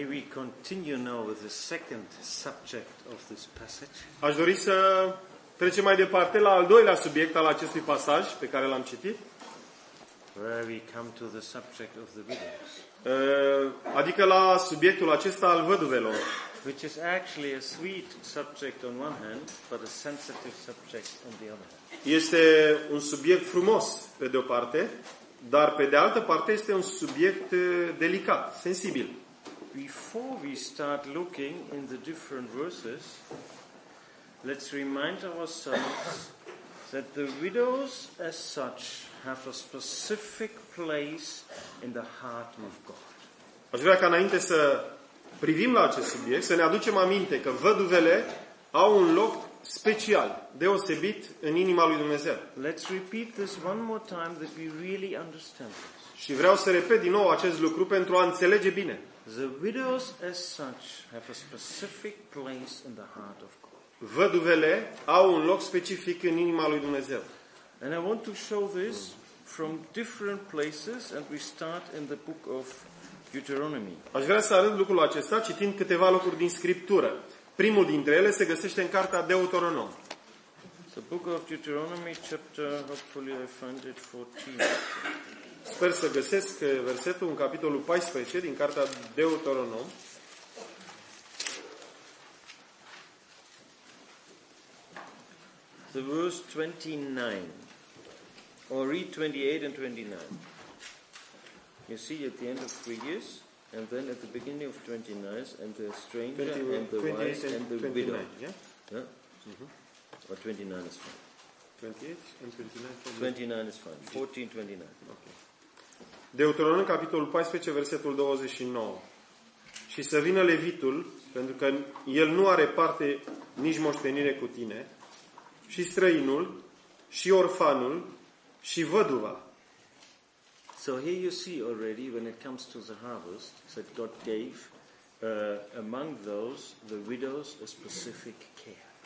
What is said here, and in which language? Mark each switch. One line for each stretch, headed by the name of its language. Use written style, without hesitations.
English: Continue now with the second subject of this passage.
Romanian: Aș dori să trecem mai departe la al doilea subiect al acestui pasaj pe care l-am citit.
English: Where we come to the subject of the widows.
Romanian: Adică la subiectul acesta al văduvelor.
English: Which is actually a sweet subject on one hand, but a sensitive subject on the other.
Romanian: Este un subiect frumos pe de o parte, dar pe de altă parte este un subiect delicat, sensibil.
English: Before we start looking in the different verses, let's remind ourselves that the widows as such have a specific place in the heart of God.
Romanian: Aș vrea ca înainte să privim la acest subiect, să ne aducem aminte că văduvele au un loc special, deosebit în inima lui Dumnezeu.
English: Let's repeat this one more time that we really understand this.
Romanian: Și vreau să repet din nou acest lucru pentru a înțelege bine.
English: The widows as such have a specific place in the heart of God.
Romanian: Văduvele au un loc specific în inima lui Dumnezeu.
English: And I want to show this from different places and we start in the book of Deuteronomy.
Romanian: Aș vrea să arăt lucrul acesta citind câteva locuri din Scriptură. Primul dintre ele se găsește în cartea Deuteronom.
English: The book of Deuteronomy chapter, hopefully I find it 14.
Romanian: Sper să găsesc versetul în capitolul 14 din cartea Deuteronom.
English: The verse 29. Or read 28 and 29. You see at the end of 3 years and then at the beginning of 29 and the stranger 20, and the wife and the widow. Yeah? Yeah? Mm-hmm. Or 29 is fine. 28 and 29. 29 is fine. 14, 29.
Romanian: Okay. Deuteronom, capitolul 14, versetul 29. Și să vină levitul, pentru că el nu are parte nici moștenire cu tine, și străinul, și orfanul, și văduva.
English: So here you see already when it comes to the harvest that God gave among those the widows a specific care.